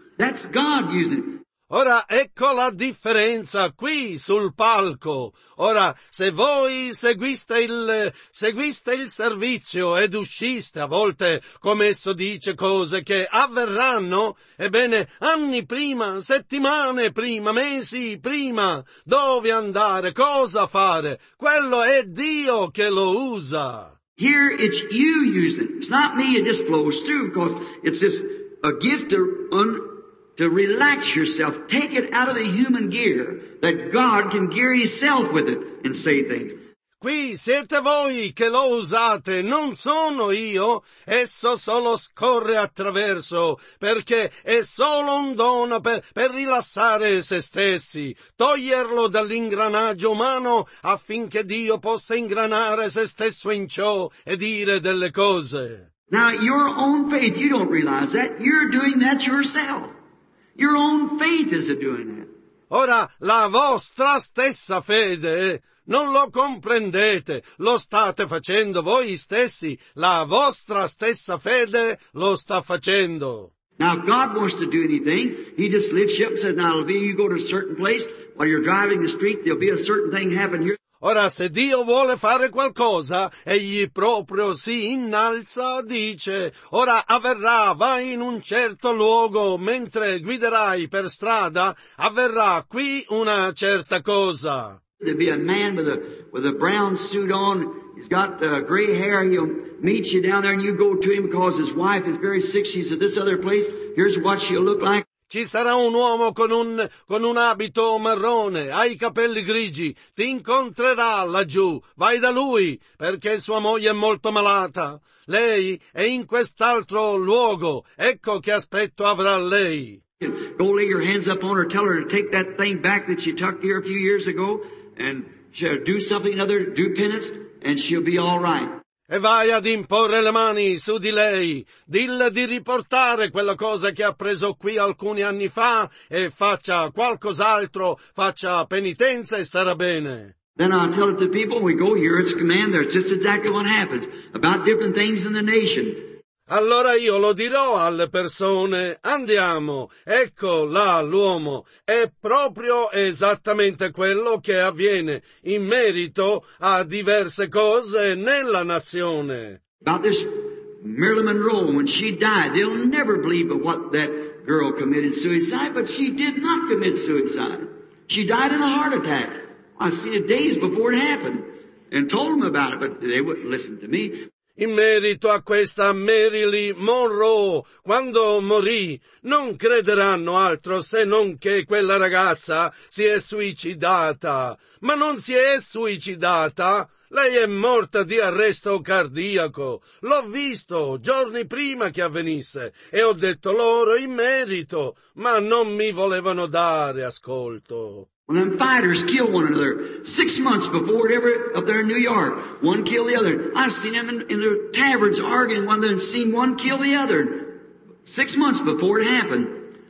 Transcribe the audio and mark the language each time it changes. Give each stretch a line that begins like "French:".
English: That's God using it.
Italian: Ora, ecco la differenza qui sul palco. Ora, se voi seguiste il servizio ed usciste a volte, come esso dice, cose che avverranno, ebbene, anni prima, settimane prima, mesi prima, dove andare, cosa fare, quello è Dio che lo usa.
English: Here it's you using it. It's not me, it just flows through, because it's just a gift to relax yourself, take it out of the human gear, that God can gear himself with it and say things.
Italian: Qui siete voi che lo usate, non sono io. Esso solo scorre attraverso, perché è solo un dono per rilassare se stessi, toglierlo dall'ingranaggio umano affinché Dio possa ingranare se stesso in ciò e dire delle cose.
English: Now your own faith, you don't realize that, you're doing that yourself. Your own faith is doing it.
Italian: Ora, la vostra stessa fede, non lo comprendete, lo state facendo voi stessi, la vostra stessa fede lo sta facendo.
English: Now, if God wants to do anything, he just lifts you up and says, now, it'll be, you go to a certain place, while you're driving the street, there'll be a certain thing happen here.
Italian: Ora, se Dio vuole fare qualcosa, egli proprio si innalza, dice, ora avverrà, vai in un certo luogo, mentre guiderai per strada, avverrà qui una certa cosa.
English: There'll be a man with a brown suit on, he's got gray hair, he'll meet you down there and you go to him because his wife is very sick, she's at this other place, here's what she'll look like.
Italian: Ci sarà un uomo con un abito marrone, ha i capelli grigi, ti incontrerà laggiù, vai da lui, perché sua moglie è molto malata. Lei è in quest'altro luogo, ecco che aspetto avrà lei.
English: Go lay your hands up on her, tell her to take that thing back that she tucked here a few years ago, and she'll do something other, do penance, and she'll be all right.
Italian: E vai ad imporre le mani su di lei, dille di riportare quella cosa che ha preso qui alcuni anni fa e faccia qualcos'altro, faccia penitenza e starà bene.
English: Then I'll tell it to people, we go here, it's a command there, it's just exactly what happens, about different things in the nation.
Italian: Allora io lo dirò alle persone, andiamo, ecco là l'uomo, è proprio esattamente quello che avviene in merito a diverse cose nella nazione.
English: About this Marilyn Monroe, when she died, they'll never believe but what that girl committed suicide, but she did not commit suicide. She died in a heart attack. I seen it days before it happened and told them about it, but they wouldn't listen to me.
Italian: In merito a questa Marilyn Monroe, quando morì, non crederanno altro se non che quella ragazza si è suicidata. Ma non si è suicidata, lei è morta di arresto cardiaco. L'ho visto giorni prima che avvenisse e ho detto loro in merito, ma non mi volevano dare ascolto.
English: Well, them fighters kill one another 6 months before it ever up there in New York. One kill the other. I've seen them in their taverns arguing when they've seen one kill the other 6 months before it happened.